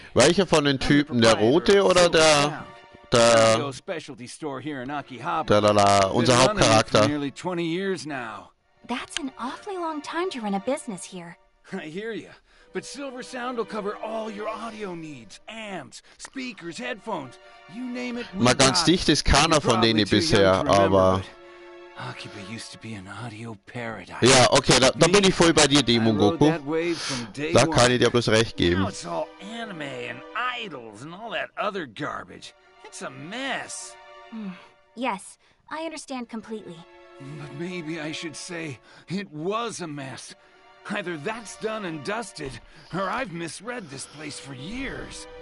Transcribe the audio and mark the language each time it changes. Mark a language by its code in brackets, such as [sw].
[de] Welcher von den Typen, der rote oder der unser Hauptcharakter? [en] Nearly 20 years now. That's an awfully long time to run a business here. I hear you. But Silver Sound will cover all your audio needs. Amps, speakers, headphones, you name it. [de] Mal ganz dicht ist keiner von denen bisher, aber [en] Akiba used to be an audio paradise. [de] Ja, okay, da bin ich voll bei dir, Demon Goku. Da kann ich dir bloß recht geben. [en] Now it's all anime and idols and all that other garbage. It's a mess. Yes, I understand completely. But maybe I should say it was a mess. Either that's done and dusted, or I've misread this place for years.